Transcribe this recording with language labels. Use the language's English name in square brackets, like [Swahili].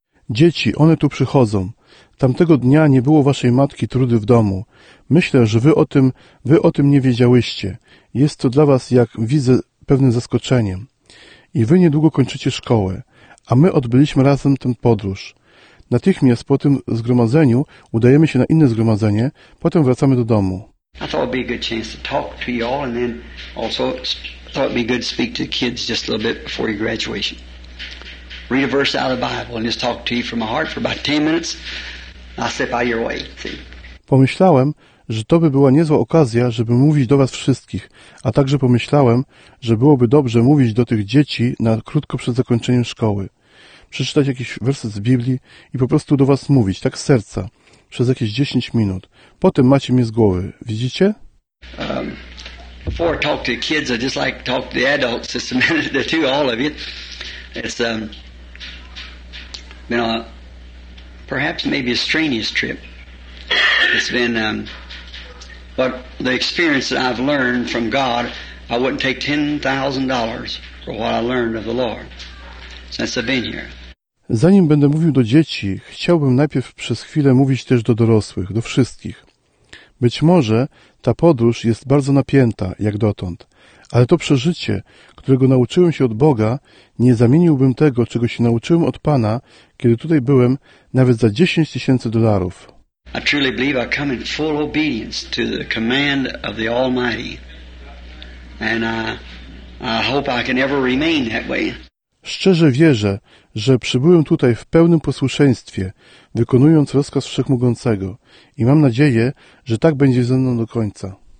[Polish] Dzieci, one tu przychodzą. Tamtego dnia nie było waszej matki Trudy w domu. Myślę, że wy o tym nie wiedziałyście. Jest to dla was, jak widzę, pewnym zaskoczeniem. I wy niedługo kończycie szkołę, a my odbyliśmy razem tę podróż. Natychmiast po tym zgromadzeniu udajemy się na inne zgromadzenie, potem wracamy do domu. [English] I thought it'd be a good chance to talk to you all, and then also thought it'd be good to speak to the kids just a little bit before your graduation. Read a verse out of the Bible and just talk to you from my heart for about 10 minutes. I'll step out your way. See? [Polish] Pomyślałem, że to by była niezła okazja, żeby mówić do was wszystkich, a także pomyślałem, że byłoby dobrze mówić do tych dzieci na krótko przed zakończeniem szkoły. Przeczytać jakiś werset z Biblii i po prostu do was mówić, tak z serca, przez jakieś 10 minut. Potem macie mnie z głowy, widzicie? [English] Before I talk to the kids, I'd just like to talk to the adults, just a minute or two, all of you. It's been perhaps maybe a strenuous trip. It's been, but the experience that I've learned from God, I wouldn't take $10,000 for what I learned of the Lord since I've been here. [Polish] Zanim będę mówił do dzieci, chciałbym najpierw przez chwilę mówić też do dorosłych, do wszystkich. Być może ta podróż jest bardzo napięta, jak dotąd, ale to przeżycie, którego nauczyłem się od Boga, nie zamieniłbym tego, czego się nauczyłem od Pana, kiedy tutaj byłem, nawet za 10 tysięcy dolarów. [English] I truly believe I come in full obedience to the command of the Almighty. And I hope I can ever remain that way. [Polish] Szczerze wierzę, że przybyłem tutaj w pełnym posłuszeństwie, wykonując rozkaz Wszechmogącego, i mam nadzieję, że tak będzie ze mną do końca.